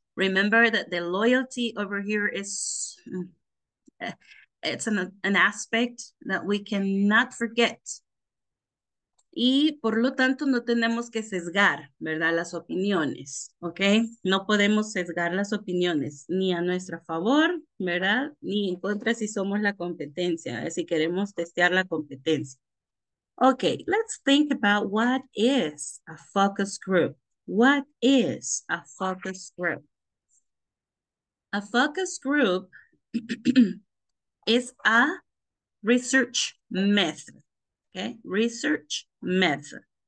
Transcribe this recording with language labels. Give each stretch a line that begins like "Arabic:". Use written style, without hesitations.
English: Remember that the loyalty over here is, it's an aspect that we cannot forget.
Spanish: Y por lo tanto, no tenemos que sesgar, ¿verdad? Las opiniones, okay? No podemos sesgar las opiniones ni a nuestro favor, ¿verdad? Ni en contra si somos la competencia, si queremos testear la competencia.
English: Okay, let's think about what is a focus group. What is a focus group? A focus group is a research method. Okay, research method.